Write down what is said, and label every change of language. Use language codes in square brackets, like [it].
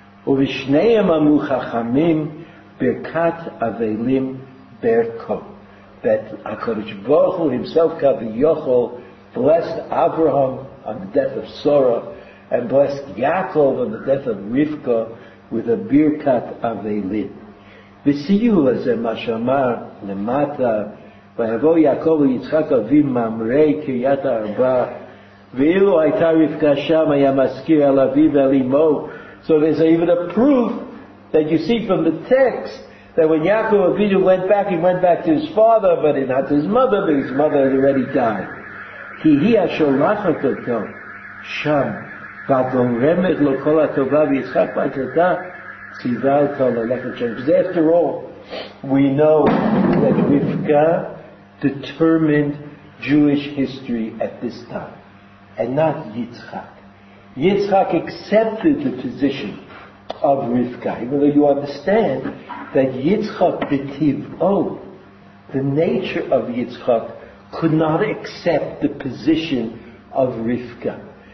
[he] Uvishneyem amu chachamim birkat aveilim berko. [en] That HaKadosh Baruch Hu himself, Kavi Yochol, blessed Abraham on the death of Sarah and blessed Yaakov on the death of Rivka with a birkat aveilim. [he] V'siyu lezeh mashamar lemata ויבוא יעקב ויצחק אביו ממרי קריית ארבע ואילו הייתה רבקה שם היה מזכיר על אביו ועל אמו. [en] So there's even a proof that you see from the text that when Yaakov Avinu went back, he went back to his father, but not to his mother, because his mother had already died. [he] כי היא השולחת אותו שם והגורמת לו כל הטובה ויצחק בתתה ציווה אותו ללכת שם. [en] Because after all, we know that רבקה determined Jewish history at this time, and not Yitzchak. Yitzchak accepted the position of Rivka, even though you understand that Yitzchak, the nature of Yitzchak, could not accept the position of Rivka.